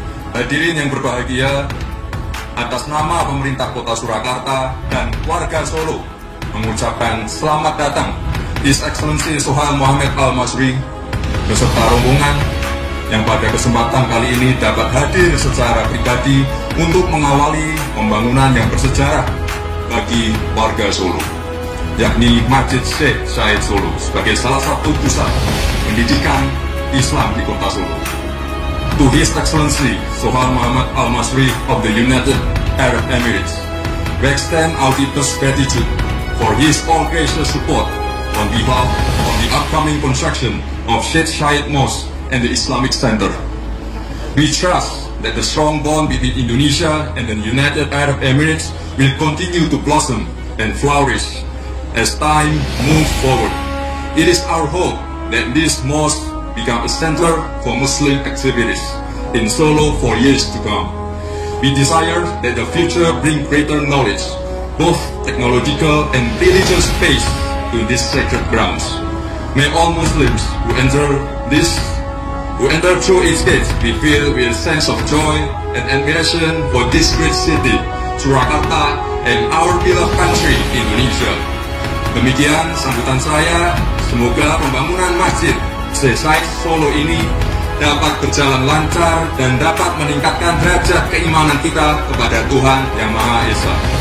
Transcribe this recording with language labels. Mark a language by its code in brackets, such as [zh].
[id] Hadirin yang berbahagia, atas nama pemerintah Kota Surakarta dan warga Solo, mengucapkan selamat datang His Excellency Suhail Muhammad Al-Masri beserta rombongan yang pada kesempatan kali ini dapat hadir secara pribadi untuk mengawali pembangunan yang bersejarah bagi warga Solo, yakni Masjid Syekh Said Solo sebagai salah satu pusat pendidikan Islam di Kota Solo. [en] To His Excellency Suhail Muhammad Al-Masri of the United Arab Emirates, we extend our deepest gratitude for his all-gracious support on behalf of the upcoming construction of Sheikh Syed Mosque and the Islamic Center. We trust that the strong bond between Indonesia and the United Arab Emirates will continue to blossom and flourish as time moves forward. It is our hope that this mosque become a center for Muslim activities in Solo for years to come. We desire that the future bring greater knowledge, both technological and religious faith, to these sacred grounds. May all Muslims who enter through its gates be filled with a sense of joy and admiration for this great city, Surakarta, and our beloved country, Indonesia. [id] Demikian sambutan saya. Semoga pembangunan masjid Syekh Solo ini dapat berjalan lancar dan dapat meningkatkan derajat keimanan kita kepada Tuhan Yang Maha Esa.